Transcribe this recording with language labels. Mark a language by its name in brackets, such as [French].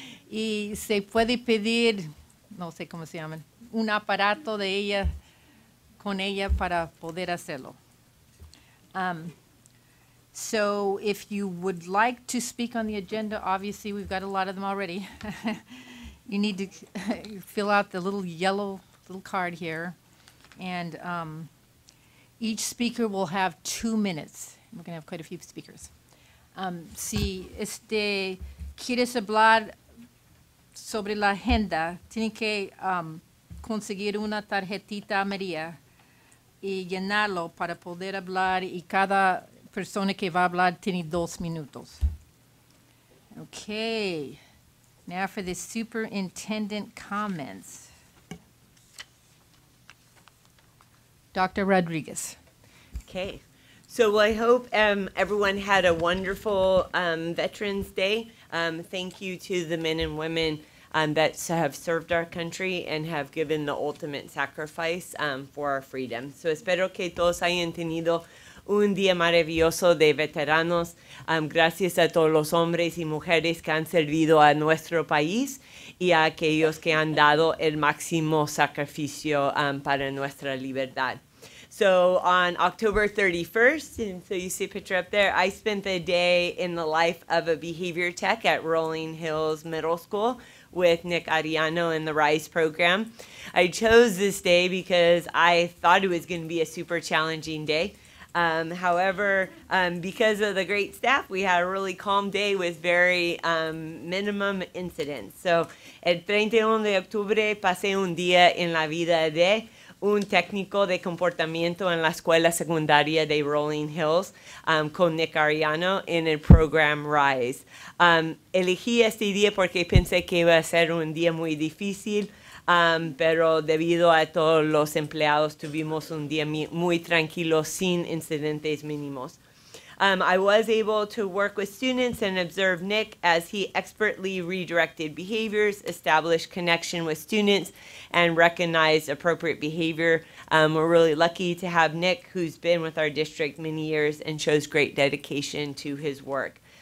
[Spanish] Y se puede pedir, no sé cómo se llaman, un aparato de ella, con ella para poder hacerlo. [English] So if you would like to speak on the agenda, obviously we've got a lot of them already. You need to fill out the little yellow little card here. And each speaker will have 2 minutes. We're going to have quite a few speakers. [Spanish] Si este quieres hablar sobre la agenda, tiene que conseguir una tarjetita amarilla y llenarlo para poder hablar y cada persona que va a hablar tiene 2 minutos. [English] Okay, now for the superintendent comments. Dr. Rodriguez. Okay, so well, I hope everyone had a wonderful Veterans Day. Thank you to the men and women that have served our country and have given the ultimate sacrifice for our freedom. [Spanish] So espero que todos hayan tenido un día maravilloso de veteranos. Gracias a todos los hombres y mujeres que han servido a nuestro país y a aquellos que han dado el máximo sacrificio para nuestra libertad. [English] So on October 31st, and so you see a picture up there, I spent the day in the life of a behavior tech at Rolling Hills Middle School with Nick Ariano in the RISE program. I chose this day because I thought it was going to be a super challenging day. However, because of the great staff, we had a really calm day with very minimum incidents. [Spanish] So, el 31 de octubre pasé un día en la vida de un técnico de comportamiento en la escuela secundaria de Rolling Hills con Nick Ariano en el program RISE. Elegí este día porque pensé que iba a ser un día muy difícil, pero debido a todos los empleados tuvimos un día muy tranquilo sin incidentes mínimos. [English] I was able to work with students and observe Nick as he expertly redirected behaviors, established connection with students, and recognized appropriate behavior. We're really lucky to have Nick, who's been with our district many years and shows great dedication to his work.